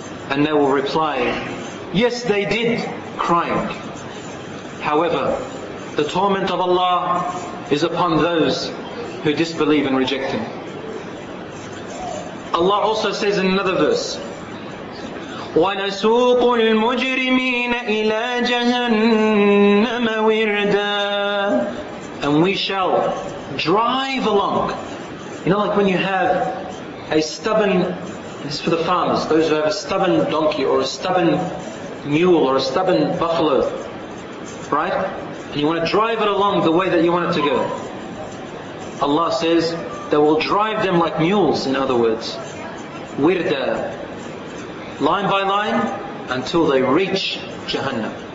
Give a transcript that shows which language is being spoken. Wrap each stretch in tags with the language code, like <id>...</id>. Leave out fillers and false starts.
<en>And they will reply, yes, they did, crying. However, the torment of Allah is upon those who disbelieve and reject Him. Allah also says in another verse,</en> <ar>ونسوق المجرمين إلى جهنم وردا.</ar> <en>And we shall drive along. You know, like when you have a stubborn, this is for the farmers, those who have a stubborn donkey or a stubborn mule or a stubborn buffalo, right? And you want to drive it along the way that you want it to go. Allah says that will drive them like mules, in other words, wirda, line by line, until they reach Jahannam.</en>